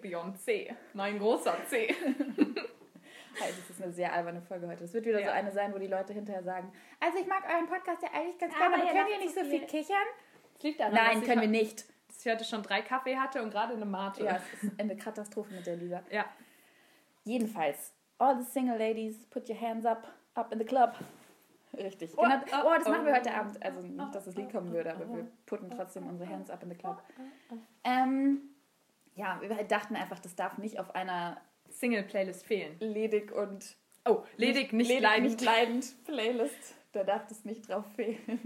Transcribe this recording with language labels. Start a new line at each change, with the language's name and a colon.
German: Beyoncé. Mein großer C. Es ist eine sehr alberne Folge heute. Es wird wieder so eine sein, wo die Leute hinterher sagen, also ich mag euren Podcast ja eigentlich ganz gerne, aber könnt ihr nicht so viel kichern? Das liegt daran, nein, können wir nicht. Dass ich heute schon 3 Kaffee hatte und gerade eine Mate. Ja, es ist eine Katastrophe mit der Lisa. Ja.
English: Jedenfalls, all the single ladies, put your hands up, up in the club.
German: Richtig. Machen wir heute Abend. Also nicht, dass das Lied kommen würde, aber wir putten trotzdem unsere
English: hands up in the club.
German: Wir dachten einfach, das darf nicht auf einer... Single-Playlist fehlen. Ledig und... Oh, ledig, nicht ledig, leidend. Nicht leidend. Playlist, da darf das nicht drauf fehlen.